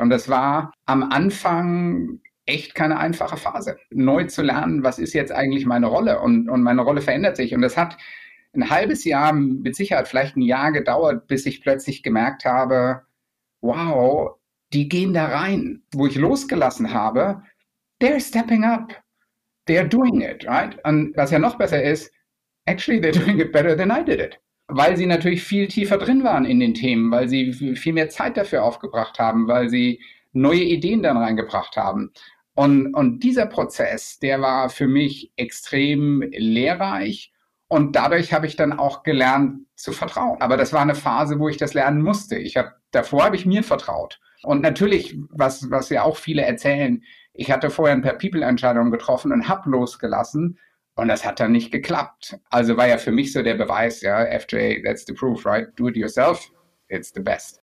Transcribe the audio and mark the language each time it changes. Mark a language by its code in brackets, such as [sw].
[de] Und das war am Anfang echt keine einfache Phase, neu zu lernen, was ist jetzt eigentlich meine Rolle? Und meine Rolle verändert sich. Und das hat ein halbes Jahr, mit Sicherheit vielleicht ein Jahr gedauert, bis ich plötzlich gemerkt habe, wow, die gehen da rein. Wo ich losgelassen habe, they're stepping up. [en] They're doing it, right? Und was ja noch besser ist, actually they're doing it better than I did it. [de] Weil sie natürlich viel tiefer drin waren in den Themen, weil sie viel mehr Zeit dafür aufgebracht haben, weil sie neue Ideen dann reingebracht haben. Und dieser Prozess, der war für mich extrem lehrreich. Und dadurch habe ich dann auch gelernt zu vertrauen. Aber das war eine Phase, wo ich das lernen musste. Davor habe ich mir vertraut. Und natürlich, was ja auch viele erzählen, ich hatte vorher ein paar People-Entscheidungen getroffen und habe losgelassen. Und das hat dann nicht geklappt. Also war ja für mich so der Beweis, ja, FJ, that's the proof, right? [en] Do it yourself, it's the best.